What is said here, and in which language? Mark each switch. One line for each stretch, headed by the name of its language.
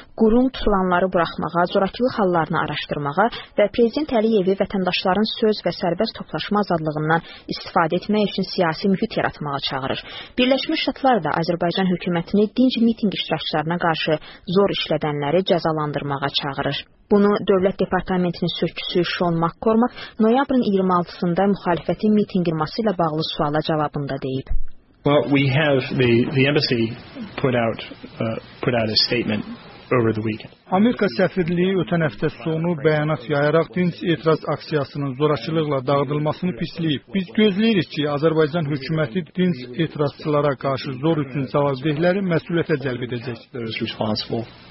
Azerbaijani: Qurum tutulanları buraxmağa, zorakılıq hallarını araşdırmağa və Prezident Əliyevi vətəndaşların söz və sərbəst toplaşma azadlığından istifadə etmək üçün siyasi mühit yaratmağa çağırır. Birləşmiş Ştatlar da Azərbaycan hökumətini dinc mitinq iştirakçılarına qarşı zor işlədənləri cəzalandırmağa çağırır. Bunu Dövlət Departamentinin sözçüsü Şon Makkormak noyabrın 26-sında müxalifətin mitinq qurması ilə bağlı suala cavabında deyib.
English: Well, we have the embassy put out a statement over the weekend.
Azerbaijani: Amerika səfirliyi ötən həftə sonu bəyanat yayaraq dinc etiraz aksiyasının zorakılıqla dağıdılmasını pisləyib. Biz gözləyirik ki, Azərbaycan hökuməti dinc etirazçılara qarşı zor üçün cavabdehləri məsuliyyətə cəlb edəcək.